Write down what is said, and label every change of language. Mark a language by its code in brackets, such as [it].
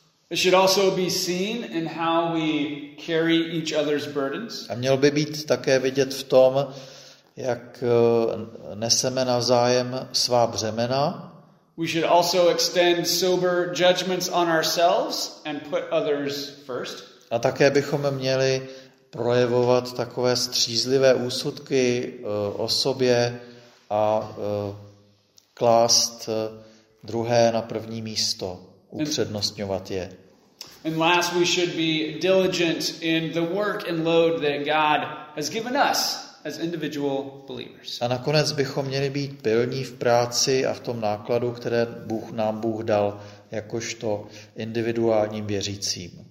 [en] It should also be seen in how we carry each other's burdens. [cs] A mělo by být také vidět v tom, jak neseme navzájem svá břemena. [en] We should also extend sober judgments on ourselves and put others first. [cs] A také bychom měli projevovat takové střízlivé úsudky o sobě a klást druhé na první místo, upřednostňovat je. [en] And last, we should be diligent in the work and load that God has given us as individual believers. [cs] A nakonec bychom měli být pilní v práci a v tom nákladu, které nám Bůh dal jakožto individuálním věřícím.